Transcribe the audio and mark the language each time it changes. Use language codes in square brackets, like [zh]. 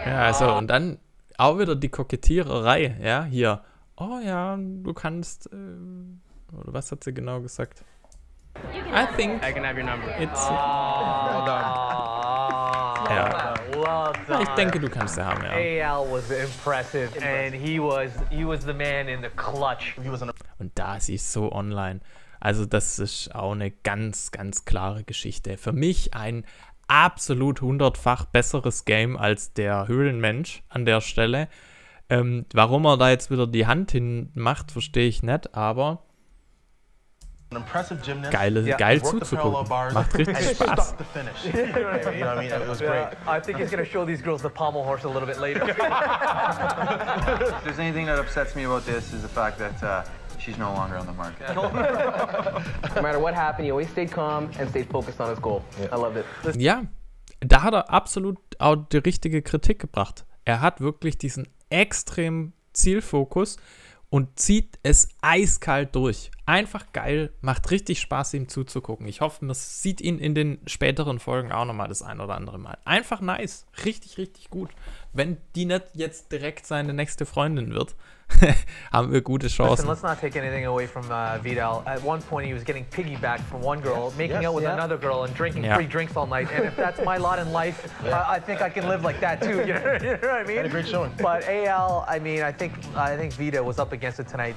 [de] Ja, also und dann auch wieder die Kokettiererei, ja, hier. Oh ja, du kannst, oder was hat sie genau gesagt? [en] I think I can have your number. It's, well done. [de] Ja. [en] Well done. [de] Ich denke, du kannst sie haben, ja. [en] AL was impressive and he was the man in the clutch. [de] Und da, sie ist so online. Also das ist auch eine ganz, ganz klare Geschichte. Für mich ein absolut hundertfach besseres Game als der Höhlenmensch an der Stelle. Warum er da jetzt wieder die Hand hin macht, verstehe ich nicht, aber [en] An impressive gymnast. [de] Geile, yeah. Geil zuzugucken. Macht richtig Spaß. [en] Stuck the finish. You know what I mean? It was great. I think he's gonna show these girls the pommel horse a little bit later. If there's anything that upsets me about this is the fact that she's no longer on the market. No matter what happened, he always stayed calm and stayed focused on his goal. Yeah. I loved it. Yeah. [de] Da hat er absolut auch die richtige Kritik gebracht. Er hat wirklich diesen extremen Zielfokus und zieht es eiskalt durch. Einfach geil, macht richtig Spaß, ihm zuzugucken. Ich hoffe, man sieht ihn in den späteren Folgen auch nochmal das ein oder andere Mal. Einfach nice, richtig, richtig gut. Wenn die nicht jetzt direkt seine nächste Freundin wird, haben wir gute Chancen. [en] Listen, let's not take anything away from Vidal. At one point he was getting piggybacked from one girl, making out with another girl and drinking free drinks all night. And if that's my lot in life, I think I can live like that too. You know what I mean? Had a great showing. But AL, I mean, I think Vidal was up against it tonight.